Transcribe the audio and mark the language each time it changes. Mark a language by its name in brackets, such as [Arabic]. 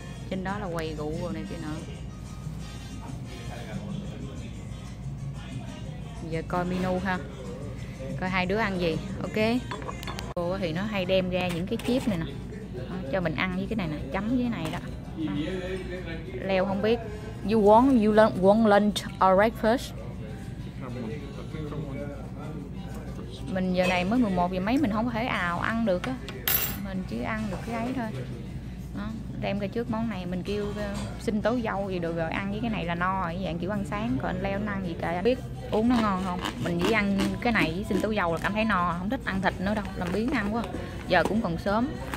[Vietnamese] Trên đó là quầy rượu rồi này kia nữa. Giờ coi menu ha, coi hai đứa ăn gì. Ok. Cô thì nó hay đem ra những cái chip này nè, cho mình ăn với cái này nè, chấm với cái này đó. Leo không biết. [English] You want lunch or breakfast? [Vietnamese] Mình giờ này mới 11 giờ mấy, mình không thể ào ăn được á. Mình chỉ ăn được cái ấy thôi. Đó, đem ra trước món này, mình kêu xin tố dâu gì được rồi, ăn với cái này là no rồi, dạng kiểu ăn sáng. Còn anh Leo ăn gì kệ, biết uống nó ngon không? Mình chỉ ăn cái này với xin tố dâu là cảm thấy no, không thích ăn thịt nữa đâu, làm biếng ăn quá. Giờ cũng còn sớm.